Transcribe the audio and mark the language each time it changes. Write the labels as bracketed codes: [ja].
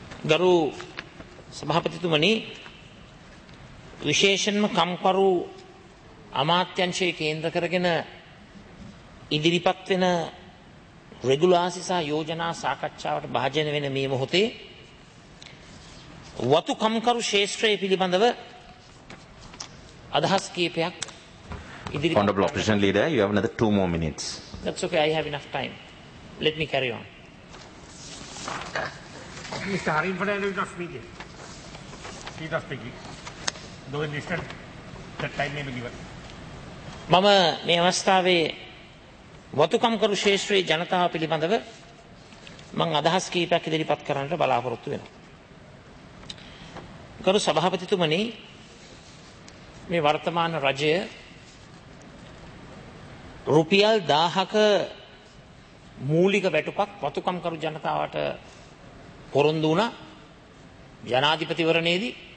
[si] ගරු සභාපතිතුමනි, විශේෂයෙන්ම කම්කරු අමාත්‍යංශයේ කේන්ද්‍ර කරගෙන ඉදිරිපත් වෙන රෙගුලාසි සහ යෝජනා සාකච්ඡාවට භාජන වෙන මේ මොහොතේ වතු කම්කරු ශේෂ්ත්‍රය පිළිබඳව අදහස් කීපයක් ඉදිරිපත් කරන්න. [en] Honorable opposition leader, you have another 2 more minutes. That's okay, I have enough time. Let me carry on. Mr. Harin Fernandez is not speaking. He is not speaking. Though in this time, that time may be given. [si] මම මේ අවස්ථාවේ වතුකම්කරු ශේෂ්ත්‍රයේ ජනතාව පිළිබඳව මම අදහස් කීපයක් ඉදිරිපත් කරන්නට බලාපොරොත්තු වෙනවා. ගරු සභාපතිතුමනි, මේ වර්තමාන රජය රුපියල් 1000ක මූලික වැටුපක් වතුකම්කරු ජනතාවට පොරොන්දු වුණා ජනාධිපතිවරණයේදී.